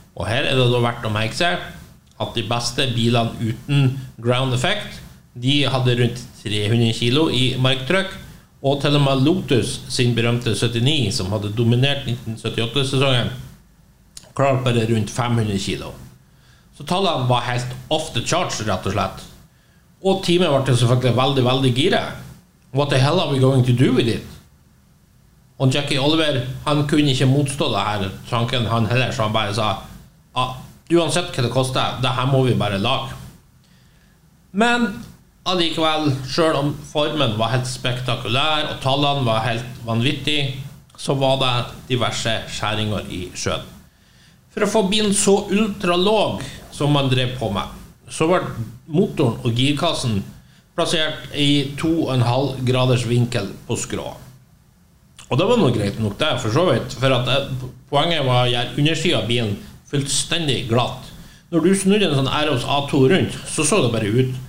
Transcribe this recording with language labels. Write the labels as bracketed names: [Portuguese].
[Norwegian] Og her det da verdt å merke seg at de beste bilene uten ground effect, de hadde rundt 300 kilo I marktrykk. Og til og med Lotus, sin berømte 79, som hadde dominert 1978-sesongen, klarte bare rundt 500 kilo. Så tallene var helt [English] off the charts, [Norwegian] rett og slett. Og teamet ble selvfølgelig veldig, veldig giret. [English] What the hell are we going to do with it? [Norwegian] Og Jackie Oliver, han kunne ikke motstå det her tanken han heller, så han bare sa, uansett hva det koster, det her må vi bare lage. Men... Allikevel, selv om formen var helt spektakulær og tallene var helt vanvittig, så var det diverse skjæringer I sjøen. For å få bilen så ultralåg som man drev på med, så var motoren og girkassen plassert I 2,5 graders vinkel på skrå. Og det var noe greit nok det, for så vidt, for at poenget var å gjøre undersiden av bilen fullstendig glatt. Når du snudde en sånn Aeros A2 rundt, så så det bare ut.